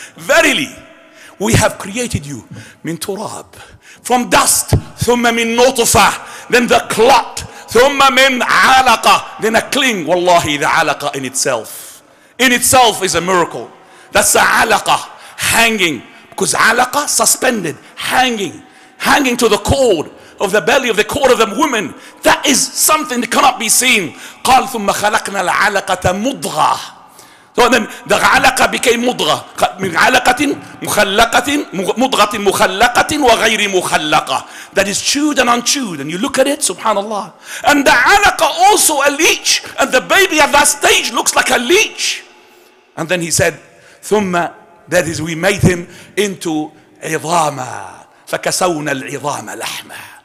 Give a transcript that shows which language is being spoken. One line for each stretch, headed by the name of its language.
English: Verily, we have created you
Arabic: min turab,
English: from dust,
Arabic: thumma min nutfa,
English: then the clot,
Arabic: thumma min alaqa,
English: then a cling. Wallahi, the alaqa in itself is a miracle. That's a alaqa, hanging, because alaqa, suspended, hanging to the cord of the belly, of the cord of the woman. That is something that cannot be seen.
Arabic: قال ثم خلقنا العلقة مضغة.
English: So then the علقة became مضغة.
Arabic: من علقة مخلقة مضغة مخلقة وغير مخلقة.
English: That is chewed and unchewed. And you look at it, subhanAllah. And the علقة also a leech. And the baby at that stage looks like a leech. And then he said, ثم, that is, we made him into عظاما.
Arabic: فكسونا العظام لحما.